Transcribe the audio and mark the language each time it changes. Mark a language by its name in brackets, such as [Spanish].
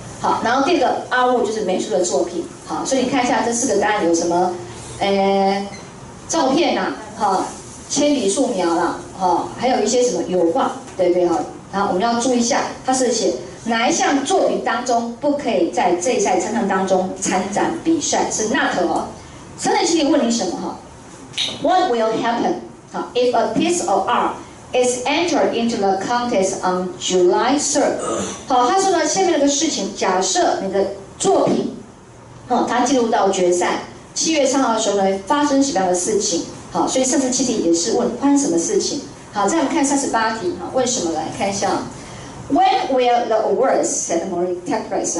[Chinese] 好，然后第二个 artwork 就是美术的作品。好，所以你看一下这四个答案有什么。照片啦、啊，哈、哦，铅笔素描啦、啊，哈、哦，还有一些什么油画，对不对哈？然后我们要注意一下，它是写哪一项作品当中不可以在这一赛场当中参展比赛，是 not 哦。 36题问你什么哈 [English] ？What will happen if a piece of art is entered into the contest on July 3rd？ [Chinese] 好，他说呢，下面那个事情，假设你的作品，哈、哦，它进入到决赛。 7月3号的时候呢，发生什么样的事情？好，所以37题也是问发生什么事情。好，再我们看38题，哈，问什么？来看一下 ， [English] When will the awards ceremony take place？